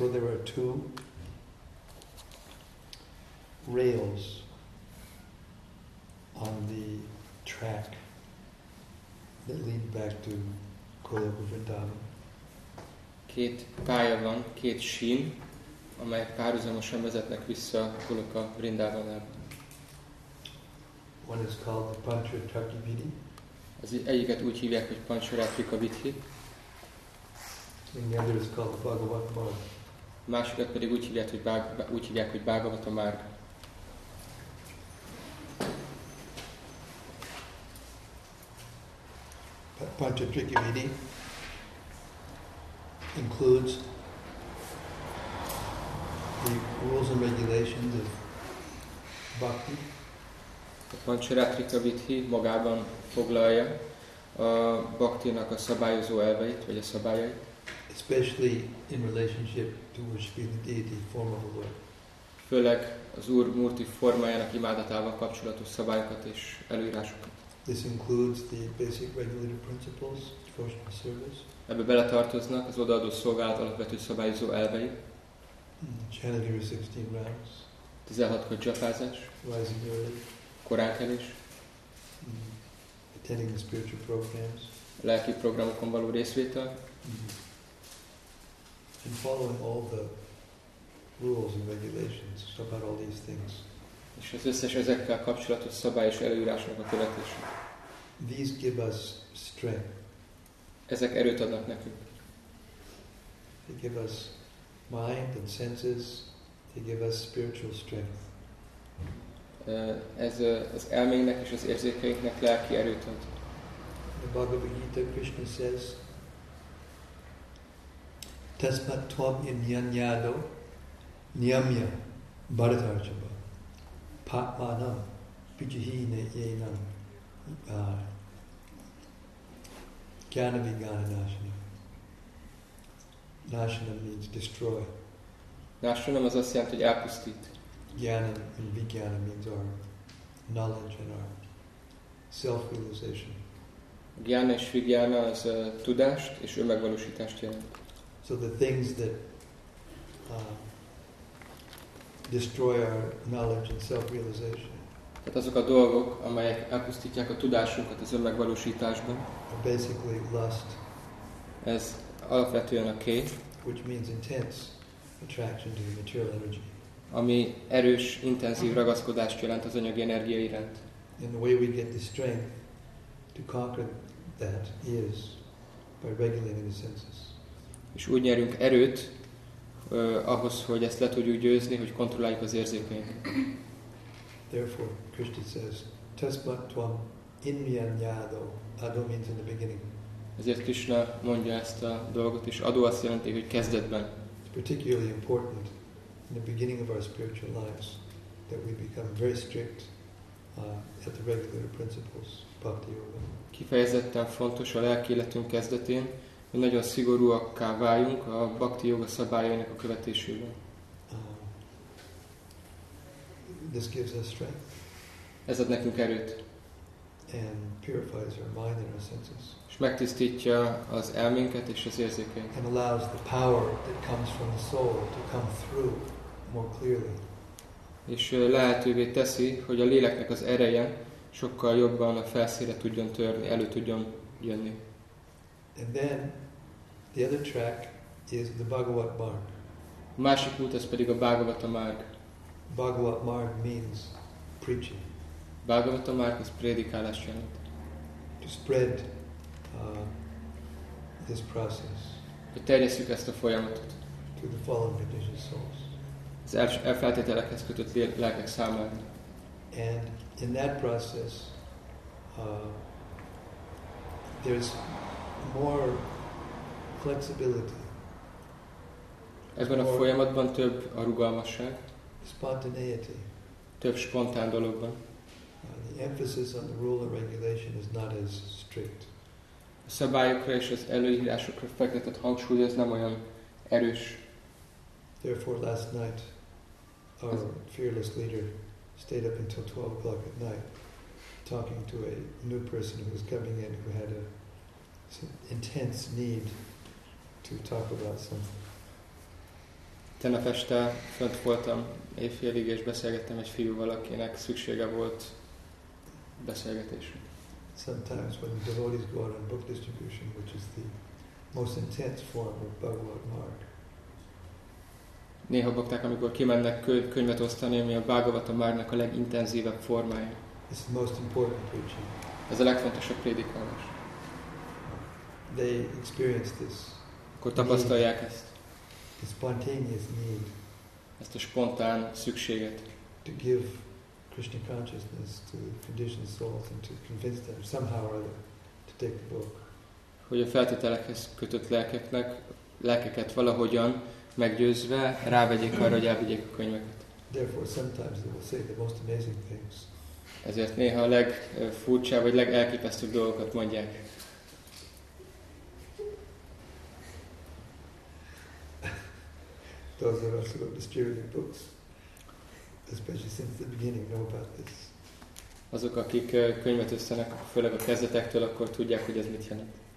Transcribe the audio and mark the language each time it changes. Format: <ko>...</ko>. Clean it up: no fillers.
<en>So there are two rails on the track that lead back to Goloka Vrindavan.</en> <hu>Két pálya van, két sín, amelyek párhuzamosan vezetnek vissza Goloka Vrindavanába.</hu> <en>One is called the Pancharatri Vidhi.</en> <hu>Az egyiket úgy hívják, hogy Pancharatri Vidhi.</hu> <en>And the other is called Bhagavat Marg.</en> <hu>Másikat pedig úgy hívják, hogy Bhagavat Marg.</hu> <en>Pancharatri Vidhi includes the rules and regulations of bhakti.</en> <hu>A Pancharatrika Vidhi magában foglalja a bhaktinak a szabályozó elveit, vagy a szabályait.</hu> <en>Especially in relationship to worshiping the deity form of the Lord.</en> <hu>Főleg az Úr múlti formájának imádatával kapcsolatos szabályokat és előírásokat.</hu> <en>This includes the basic regulative principles of devotional service.</en> <hu>Ebbe beletartoznak az odaadó szolgálat alapvető szabályozó elvei.</hu> <en>Chanting 16 rounds.</en> <hu>16 kör japázás.</hu> <en>Rising early.</en> <hu>Korán kelés.</hu> <en>Attending the spiritual programs.</en> <hu>lelki programokon való részvétel.</hu> <en>And following all the rules and regulations about all these things.</en> <hu>És az összes ezekkel kapcsolatos szabály és előírásnak a követése.</hu> <en>These give us strength.</en> <hu>Ezek erőt adnak nekünk.</hu> <en>They give us mind and senses. They give us spiritual strength.</en> <hu>Ez az elménynek és az érzékeinknek lelki erőt ad.</hu> <en>The Bhagavad Gita Krishna says,</en> <sa>Tasmat tvam inyanyado niyamya bharatarjava patmanam pijahine yenam jnana vijnana nashanam.</sa> <en>Nashanam means destroy.</en> <hu>Nashanam az azt jelenti, hogy elpusztít.</hu> <en>Jnana and vijnana means our knowledge and our self-realization.</en> <hu>Jnana és vijnana az a tudást és önmegvalósítást jelent.</hu> <en>So the things that destroy our knowledge and self-realization.</en> <hu>Tehát azok a dolgok, amelyek elpusztítják a tudásunkat az önmegvalósításban.</hu> <en>Basically lust.</en> <hu>Ez alapvetően a kép.</hu> <en>Which means intense attraction to material energy.</en> <hu>Ami erős, intenzív ragaszkodást jelent az anyagi energia iránt.</hu> <en>And the way we get the strength to conquer that is by regulating the senses.</en> <hu>És úgy nyerünk erőt ahhoz, hogy ezt le tudjuk győzni, hogy kontrolláljuk az érzékeinket.</hu> <en>Therefore, Krishna says,</en> <sa>Tasmat tvam inyanyado</sa> <en>adho means in the beginning.</en> <hu>Ezért Krishna mondja ezt a dolgot, és adó azt jelenti, hogy kezdetben.</hu> <en>It's particularly important in the beginning of our spiritual lives that we become very strict at the regular principles of bhakti yoga.</en> <hu>Kifejezetten fontos a lelki életünk kezdetén, hogy nagyon szigorúakká váljunk a bhakti yoga szabályainak a követésében.</hu> <en>This gives us strength.</en> <hu>Ez ad nekünk erőt.</hu> <en>And purifies our mind and our senses.</en> <hu>És megtisztítja az elménket és az érzékeinket.</hu> <en>And allows the power that comes from the soul to come through more clearly.</en> <hu>És lehetővé teszi, hogy a léleknek az ereje sokkal jobban a felszínre tudjon törni, elő tudjon jönni.</hu> <en>And then the other track is the Bhagavat Marg.</en> <hu>Másik út ez pedig a Bhagavata Marg.</hu> <en>Bhagavat Marg means preaching.</en> <hu>Bhagavata Marg az prédikálás jelent.</hu> <en>To spread this process.</en> <hu>Hogy terjesszük ezt a folyamatot.</hu> <en>To the fallen conditioned souls.</en> <hu>Az elfeltételekhez kötött lelkek számára.</hu> <en>And in that process there's more flexibility.</en> <hu>Ebben a folyamatban több a rugalmasság.</hu> <en>Spontaneity.</en> <hu>Több spontán dologban.</hu> <en>The emphasis on the rule and regulation is not as strict.</en> <hu>A szabályokra és az előírásokra fektetett hangsúly ez nem olyan erős.</hu> <en>Therefore, last night, our fearless leader stayed up until 12 o'clock at night, talking to a new person who was coming in who had a intense need to talk about something.</en> <hu>Tegnap este fönt voltam éjfélig, és beszélgettem egy fiúval, akinek szüksége volt beszélgetésre.</hu> <en>Sometimes when the devotees go out on book distribution, which is the most intense form of Bhagavat Marg.</en> <hu>Néha bakták, amikor kimennek könyvet osztani, ami a Bhagavata Margnak a legintenzívebb formája.</hu> <en>It's the most important preaching.</en> <hu>Ez a legfontosabb prédikálás.</hu> <en>They experience this.</en> <hu>Akkor tapasztalják ezt.</hu> <en>The spontaneous need.</en> <hu>Ezt a spontán szükséget.</hu> <en>To give Krishna consciousness to conditioned souls and to convince them somehow or other to take the book.</en> <hu>Hogy a feltételekhez kötött lelkeknek, lelkeket valahogyan meggyőzve rávegyék arra, hogy elvigyék a könyveket.</hu> <en>Therefore, sometimes they will say the most amazing things.</en> <hu>Ezért néha a legfurcsább vagy legelképesztőbb dolgokat mondják.</hu> <en>Those of us who are distributing books, especially since the beginning, know about this.</en> <hu>Azok, akik könyvet összenek, főleg a kezdetektől, akkor tudják, hogy ez mit jelent.</hu>